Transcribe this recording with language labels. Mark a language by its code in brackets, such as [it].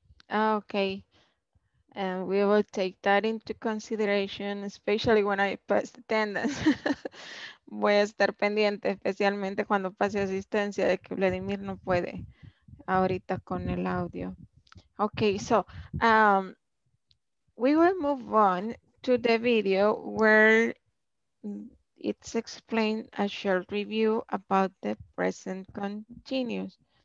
[en] Okay, and we will take that into consideration, especially when I pass attendance. [es] Voy a estar pendiente, especialmente cuando pase asistencia, de que Vladimir no puede ahorita con el audio. [en] Okay, so we will move on to the video where it's explained a short review about the present continuous.